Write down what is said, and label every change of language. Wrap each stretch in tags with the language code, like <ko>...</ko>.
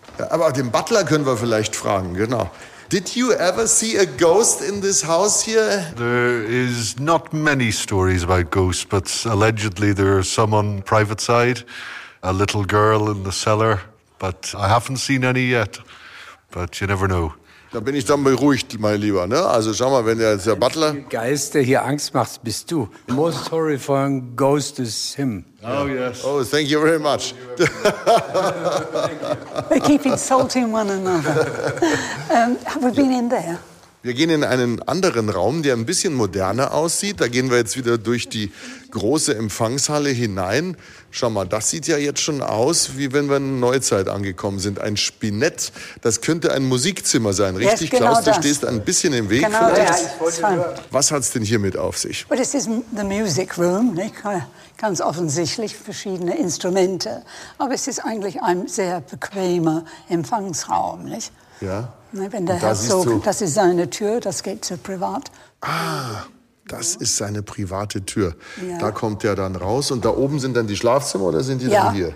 <de>Aber den Butler können wir vielleicht fragen, genau.</de> <en>Did you ever see a ghost in this house here? There is not many stories about ghosts, but allegedly there is some on private side. A little girl in the cellar, but I haven't seen any yet. But you never know.</en> <de>Da bin ich dann beruhigt, mein Lieber. Ne? Also schau mal, wenn der Butler... Geist, der hier Angst macht, bist du.</de> <en>The most horrifying ghost is him. Oh, yes. Oh, thank you very much. They keep insulting one another. Have we been in there?</en> <de>Wir gehen in einen anderen Raum, der ein bisschen moderner aussieht. Da gehen wir jetzt wieder durch die große Empfangshalle hinein. Schau mal, das sieht ja jetzt schon aus, wie wenn wir in Neuzeit angekommen sind. Ein Spinett, das könnte ein Musikzimmer sein, richtig, yes, genau, Klaus? Das. Du stehst ein bisschen im Weg genau, vielleicht. Genau, ja. Was hat's denn hiermit auf sich?</de> <en>Well, this is the music room, nicht?</en> <de>Ganz offensichtlich verschiedene Instrumente. Aber es ist eigentlich ein sehr bequemer Empfangsraum, nicht? Ja. Wenn der Herzog, das ist seine Tür, das geht zur Privat. Ah, das ist seine private Tür. Ja. Da kommt er dann raus und da oben sind dann die Schlafzimmer oder sind die dann hier?</de>